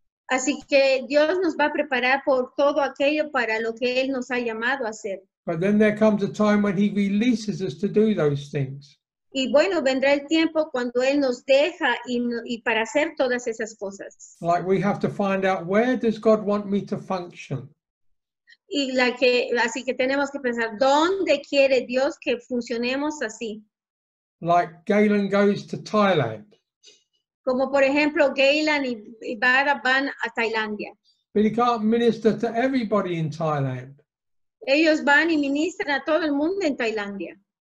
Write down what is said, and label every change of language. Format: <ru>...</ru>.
<es>Así que Dios nos va a preparar por todo aquello para lo que Él nos ha llamado a hacer.</es> <en>But then there comes a time when He releases us to do those things.</en> <es>Y bueno, vendrá el tiempo cuando Él nos deja y para hacer todas esas cosas.</es> <en>Like we have to find out, where does God want me to function?</en> <es>Y así que tenemos que pensar, ¿dónde quiere Dios que funcionemos así?</es> <en>Like Galen goes to Thailand.</en> <es>Como por ejemplo, Galen y Vara van a Tailandia.</es> <en>But he can't minister to everybody in Thailand.</en> <es>Ellos van y ministran a todo el mundo en Tailandia.</es>